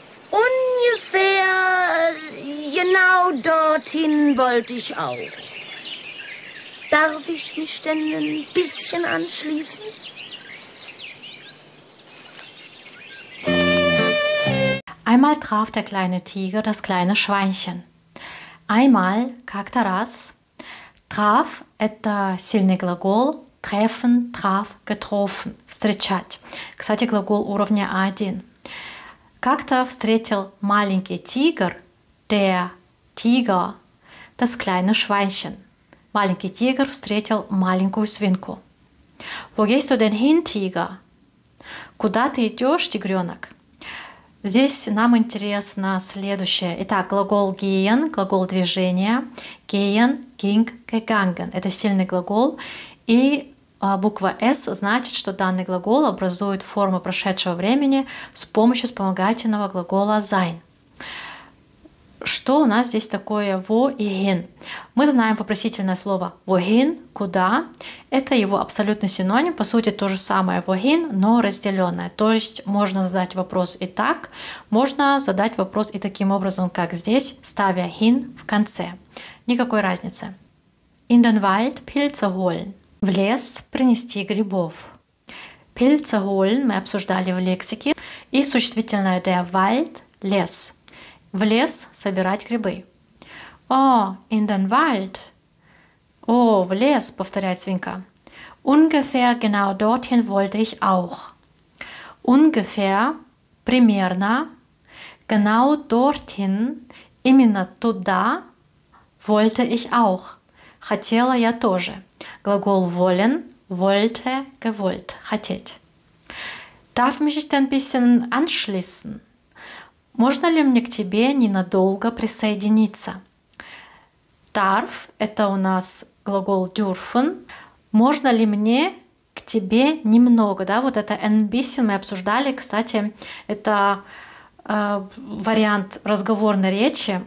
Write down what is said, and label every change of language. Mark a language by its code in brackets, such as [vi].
[de] Ungefähr genau dorthin wollte ich auch. Darf ich mich denn ein bisschen anschließen? Einmal traf der kleine Tiger das kleine Schweinchen. [ru] Einmal, как-то раз, traf – это сильный глагол, treffen, traf, getroffen – встречать. Кстати, глагол уровня А1. Как-то встретил маленький тигр, der Tiger, [de] das kleine Schweinchen. [ru] Маленький тигр встретил маленькую свинку. [de] Wo gehst du denn hin, Tiger? [ru] Куда ты идешь, тигренок? Здесь нам интересно следующее. Итак, глагол gehen, глагол движения. Gehen, ging, gegangen. Это сильный глагол. И буква S значит, что данный глагол образует форму прошедшего времени с помощью вспомогательного глагола sein. Что у нас здесь такое «wohin»? Мы знаем вопросительное слово «wohin» – «куда». Это его абсолютный синоним, по сути, то же самое «wohin», но разделенное. То есть можно задать вопрос и так, можно задать вопрос и таким образом, как здесь, ставя «hin» в конце. Никакой разницы. [de] «In den Wald Pilze holen» – [ru] «в лес принести грибов». «Pilze holen» мы обсуждали в лексике, и существительное «der Wald» – «лес». В лес собирать грибы. [de] Oh, in den Wald. [ru] Oh, в лес, повторяет свинка. [de] Ungefähr genau dorthin wollte ich auch. Ungefähr, [ru] примерно, [de] genau dorthin, [ru] именно туда, [de] wollte ich auch. [ru] Хотела я тоже. Глагол wollen, wollte, gewollt, хотеть. [de] Darf mich ich ein bisschen anschließen? [ru] Можно ли мне к тебе ненадолго присоединиться? Darf – это у нас глагол dürfen. Можно ли мне к тебе немного? Да, вот это ein bisschen мы обсуждали. Кстати, это вариант разговорной речи.